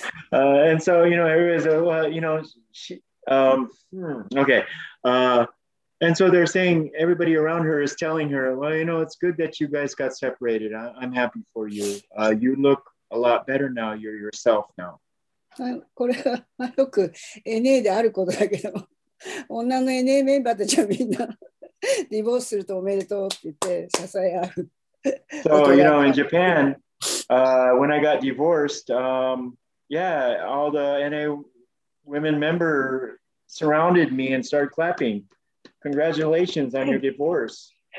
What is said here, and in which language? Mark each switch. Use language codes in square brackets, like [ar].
[en] and so, you know, everybody's like, well, you know, she, okay. And so they're saying, everybody around her is telling her, well, you know, it's good that you guys got separated. I'm happy for you. You look a lot better now. You're yourself now. [ja] これはよく NA であることだけど、女の NA メンバーたちはみんなリボースするとおめでとうって言って支え合う。 [en] So, you know, in Japan, when I got divorced, yeah, all the NA women member surrounded me and started clapping. Congratulations on your divorce.